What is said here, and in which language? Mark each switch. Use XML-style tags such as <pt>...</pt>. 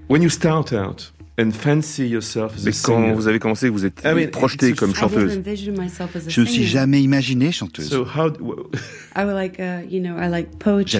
<en>When you start out and fancy yourself as a singer.</en> <fr>Quand vous avez commencé, vous êtes projeté comme chanteuse. Je ne me suis jamais imaginée chanteuse.</fr> <en>So how? I would like, you know, I like poetry.</en>